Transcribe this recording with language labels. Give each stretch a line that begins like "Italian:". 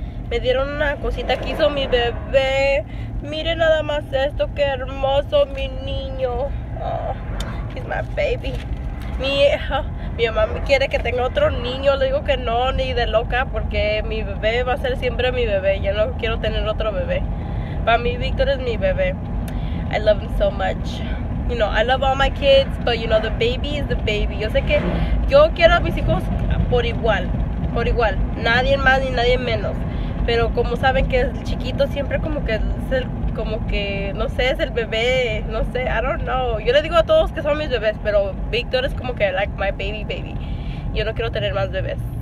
Spanish: Me dieron una cosita que hizo mi bebé. Miren nada más esto, qué hermoso mi niño.
English: Oh, he's my baby.
Spanish: Mi mamá quiere que tenga otro niño. Le digo que no, ni de loca, porque mi bebé va a ser siempre mi bebé. Yo no quiero tener otro bebé. Para mí, Víctor es mi bebé.
English: I love him so much. You know, I love all my kids, but you know, the baby is the baby.
Spanish: Yo sé que yo quiero a mis hijos por igual, nadie más ni nadie menos, pero como saben que el chiquito siempre como que es el, como que, no sé, es el bebé, no sé,
English: I don't know.
Spanish: Yo le digo a todos que son mis bebés, pero Víctor es como que
English: like my baby.
Spanish: Yo no quiero tener más bebés.